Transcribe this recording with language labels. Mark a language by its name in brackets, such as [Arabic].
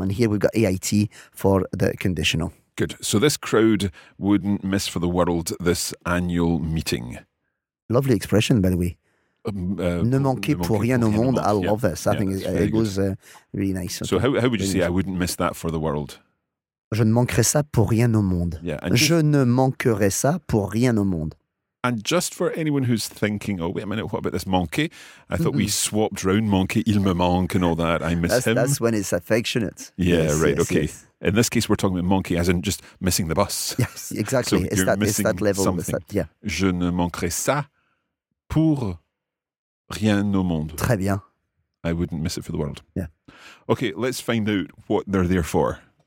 [English] And here we've got AIT for the conditional. Good. So this crowd wouldn't miss for the world this annual meeting. Lovely expression, by the way. [French] Ne manquer pour rien au monde. [English] I love this. I think it goes really nice. So how would you say I wouldn't miss that for the world? [French] Je ne manquerai ça pour rien au monde. Je ne manquerai ça pour rien au monde. [English] And just for anyone who's thinking, oh, wait a minute, what about this manque? I thought we swapped round manque, [French] il me manque [English] and all that. I miss him. That's when it's affectionate. Yeah, yes, right, yes, okay. Yes. In this case, we're talking about manque as in just missing the bus. Yes, exactly. So it's that level. [French] Je ne manquerai ça pour rien au monde. Très bien. [English] I wouldn't miss it for the world. Yeah. Okay, let's find out what they're there for.